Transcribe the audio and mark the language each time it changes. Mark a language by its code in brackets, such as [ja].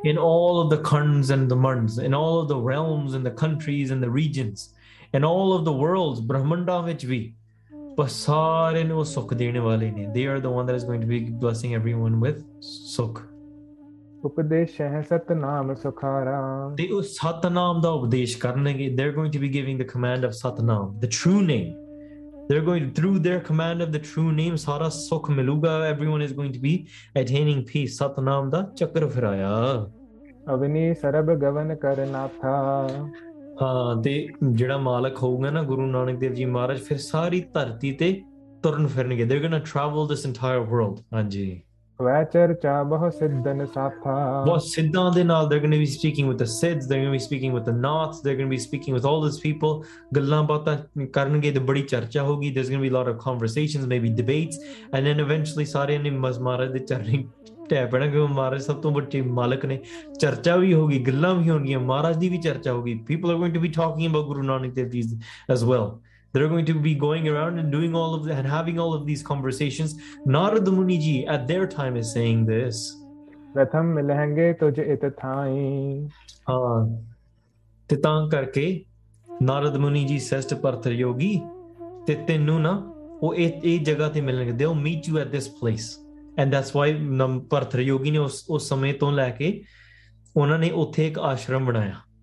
[en] in all of the khands and the mands, in all of the realms and the countries and the regions, in all of the worlds, [pa] ਬ੍ਰਹਮੰਡਾਂ ਵਿੱਚ ਵੀ, ਪਰ ਸਾਰੇ ਨੂੰ ਸੁੱਖ ਦੇਣ ਵਾਲੇ ਨੇ। [en] They are the one that is going to be blessing everyone with sukh. [pa] ਉਪਦੇਸ਼ਹਿ ਸਤਨਾਮ ਸੁਖਾਰਾ। ਤੇ ਉਸ ਸਤਨਾਮ ਦਾ ਉਪਦੇਸ਼ ਕਰਨਗੇ। [en] They are going to be giving the command of Satnam, the true name. They're going through their command of the true name, [pa] Sara Sukh Miluga. [en] Everyone is going to be attaining peace. [pa] Satnam da chakra phiraya. Avni ਸਰਬ ਗਵਨ ਕਰਨਾਥਾ। ਹਾਂ, ਤੇ ਜਿਹੜਾ ਮਾਲਕ ਹੋਊਗਾ ਨਾ, ਗੁਰੂ ਨਾਨਕ ਦੇਵ ਜੀ ਮਹਾਰਾਜ, ਫਿਰ ਸਾਰੀ ਧਰਤੀ ਤੇ ਤੁਰਨ ਫਿਰਨਗੇ। [en] They're going to travel this entire world. [pa] ਹਾਂਜੀ, ਵੈ ਚਰਚਾ ਬਹੁ ਸਿੱਧਨ ਬਹੁਤ ਸਾਥਾ। ਸਿੱਧਾਂ ਦੇ ਨਾਲ। [en] they are going to be speaking with the Siddhs, they are going to be speaking with the Naths, they are going to be speaking with all this people, [pa] ਗੱਲਾਂ ਬਾਤਾਂ ਕਰਨਗੇ ਤੇ ਬੜੀ ਚਰਚਾ ਹੋਗੀ। [en] they are going to be lot of conversations, may be debates, and then eventually [pa] ਸਾਰਿਆਂ ਨੇ ਮਹਾਰਾਜ ਦੇ ਚਰਨੀ ਢਹਿ ਪੈਣਾ, ਕਿਉਂਕਿ ਮਹਾਰਾਜ ਸਭ ਤੋਂ ਵੱਡੇ ਮਾਲਕ ਨੇ। ਚਰਚਾ ਵੀ ਹੋਗੀ, ਗੱਲਾਂ ਵੀ ਹੋਣਗੀਆਂ, ਮਹਾਰਾਜ ਦੀ ਵੀ ਚਰਚਾ ਹੋਗੀ। [en] People are going to be talking about Guru Nanak Dev ji as well. They are going to be going around and doing all of that and having all of these conversations. Narada Muni ji at their time is saying this. [pa] ਪ੍ਰਥਮ ਮਿਲਹਿੰਗੇ ਤੁਝ ਇਤ ਥਾਈ। ਹਾਂ, ਤੇ ਤਾਂ ਕਰਕੇ ਨਾਰਦ ਮੁਨੀ ਜੀ ਸੈਸਟ ਭਰਥਰ ਯੋਗੀ, ਤੇ ਤੈਨੂੰ ਨਾ ਉਹ ਇਹ ਜਗ੍ਹਾ ਤੇ ਮਿਲਣਗੇ। [en] ਦੇ ਉਹ meet you at this place, and that's why [pa] ਭਰਥਰ ਯੋਗੀ ਨੇ ਉਸ ਸਮੇਂ ਤੋਂ ਲੈ ਕੇ ਉਹਨਾਂ ਨੇ ਉੱਥੇ ਇੱਕ ਆਸ਼ਰਮ ਬਣਾਇਆ।